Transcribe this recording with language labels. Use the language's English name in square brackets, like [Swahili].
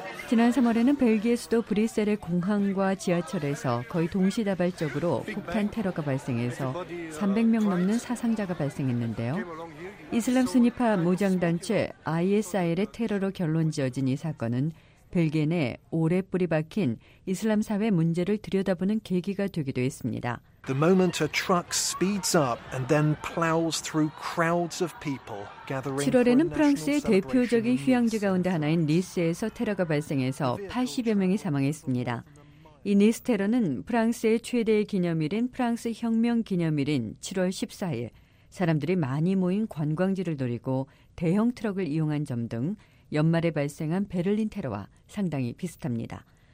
[Korean] 지난 3월에는 벨기에 수도 브뤼셀의 공항과 지하철에서 거의 동시다발적으로 폭탄 테러가 발생해서 300명 넘는 사상자가 발생했는데요. 이슬람 순위파 무장단체 ISIL의 테러로 결론 지어진 이 사건은 벨기에 내 오래 뿌리 박힌 이슬람 사회 문제를 들여다보는 계기가 되기도 했습니다. [English] The moment a truck speeds up and then plows through crowds of people gathering. [Korean] 7월에는 프랑스의 대표적인 휴양지 가운데 하나인 니스에서 테러가 발생해서 80여 명이 사망했습니다. 이 니스 테러는 프랑스의 최대의 기념일인 프랑스 혁명 기념일인 7월 14일 사람들이 많이 모인 관광지를 노리고 대형 트럭을 이용한 점 등 연말에 발생한 베를린 테러와 상당히 비슷합니다.